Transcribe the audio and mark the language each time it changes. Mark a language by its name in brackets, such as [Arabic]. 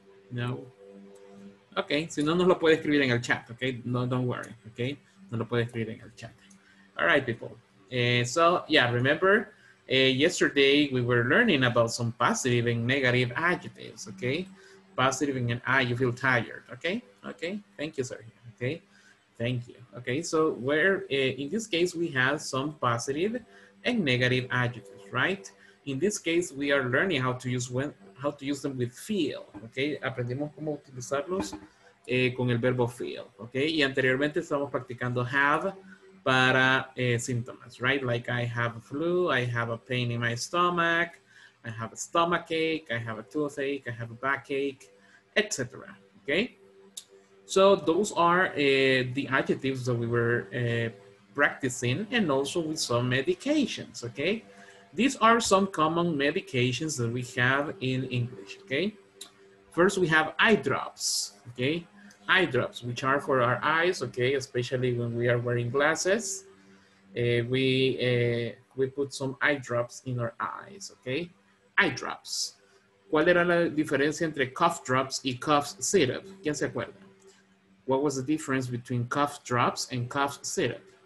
[Spanish] No. Ok, si no, nos lo puede escribir en el chat, ¿ok? No, [English] don't worry, [Spanish] ¿ok? No lo puede escribir en el chat. [English] All right, people. So, yeah, remember, yesterday we were learning about some positive and negative adjectives, okay? Positive and, you feel tired, okay? Okay, thank you, sir. Okay, thank you. Okay, so where, in this case, we have some positive and negative adjectives, right? In this case, we are learning how to use them with feel, okay? [Spanish] Aprendimos cómo utilizarlos con el verbo feel, okay? Y anteriormente estamos practicando have, para síntomas, right? [English] Like I have a flu, I have a pain in my stomach, I have a stomachache, I have a toothache, I have a backache, etc. Okay? So those are the adjectives that we were practicing and also with some medications, okay? These are some common medications that we have in English, okay? First we have eye drops, okay? Eye drops, which are for our eyes, okay, especially when we are wearing glasses, we put some eye drops in our eyes, okay, eye drops. [Spanish] ¿cuál era la diferencia entre cough drops y cough syrup? ¿Quién se acuerda? [English] What was the difference between cough drops and cough syrup?